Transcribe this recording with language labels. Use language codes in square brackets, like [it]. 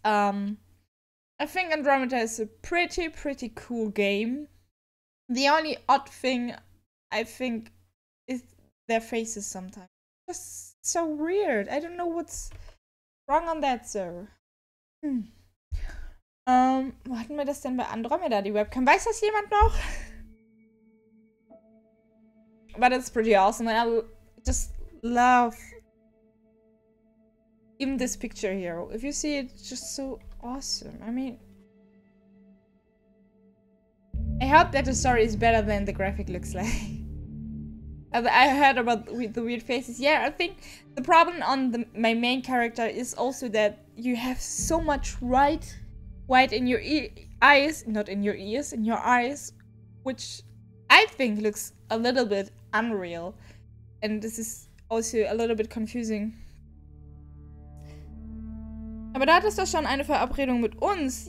[en] I think Andromeda is a pretty cool game. The only odd thing I think is their faces sometimes. Just so weird. I don't know what's wrong on that, sir. [de] Wo hatten wir das denn bei Andromeda, die Webcam? Weiß das jemand noch? [en] But it's pretty awesome. I just love even this picture here. If you see it, it's just so awesome. I mean, I hope that the story is better than the graphic looks like. I heard about the weird faces. Yeah, I think the problem on my main character is also that you have so much white in your eyes, not in your ears, in your eyes, which I think looks a little bit unreal, and this is also a little bit confusing. [de] Aber da hattest du schon eine Verabredung mit uns.